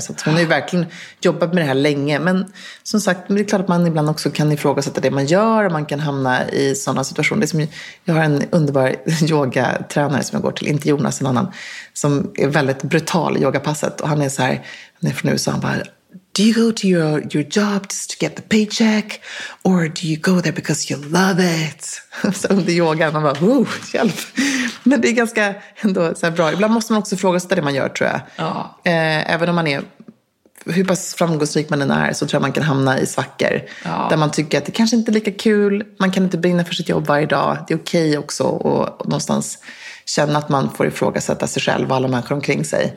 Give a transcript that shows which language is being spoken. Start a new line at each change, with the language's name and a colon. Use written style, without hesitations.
Swedish: Så att hon har ju verkligen jobbat med det här länge. Men som sagt, det är klart att man ibland också kan ifrågasätta det man gör. Och man kan hamna i sådana situationer. Det som, jag har en underbar yogatränare som jag går till. Inte Jonas, en annan. Som är väldigt brutal i yogapasset. Och han är så här, han är från USA, han bara...
English: Do you go to your job just to get the paycheck? Or do you go there because you love it?
Swedish: Så under yogan, man bara, oh, hjälp. Men det är ganska ändå så här bra. Ibland måste man också fråga sig det man gör, tror jag. Ja. Även om man är, hur pass framgångsrik man än är, så tror jag man kan hamna i svackor. Ja. Där man tycker att det kanske inte är lika kul. Man kan inte brinna för sitt jobb varje dag. Det är okej också och någonstans... Känna att man får ifrågasätta sig själv och alla människor omkring sig.